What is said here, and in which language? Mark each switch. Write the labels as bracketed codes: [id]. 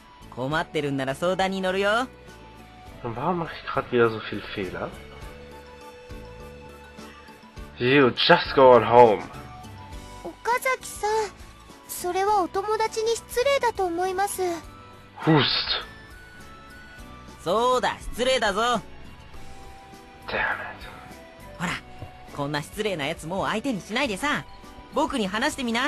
[ja] 困ってるんなら相談に乗るよ。 [de] Warum mache ich gerade wieder so viel Fehler? [en] You just go on home. [ja] 岡崎さん、それはお友達に失礼だと思います。 Hust. そうだ、失礼だぞ。 [en] Damn it. [ja] ほら、こんな失礼なやつもう相手にしないでさ、僕に話してみな。